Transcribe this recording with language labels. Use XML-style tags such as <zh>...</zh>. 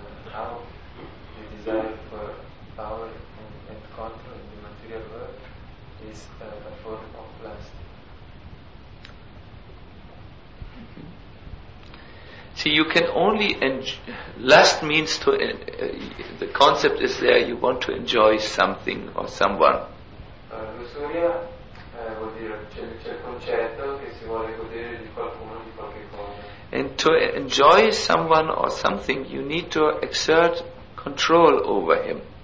<en>How the desire for power and control in the material world is a form of lust. See, you can only enjoy. Lust means to. The concept is there, you want to enjoy something or someone.</en> <it>Lusuria vuol dire. C'è il concetto che si vuole godere di qualcuno, di qualche cosa.</it> <en>And to enjoy someone or something, you need to exert control over him.</en>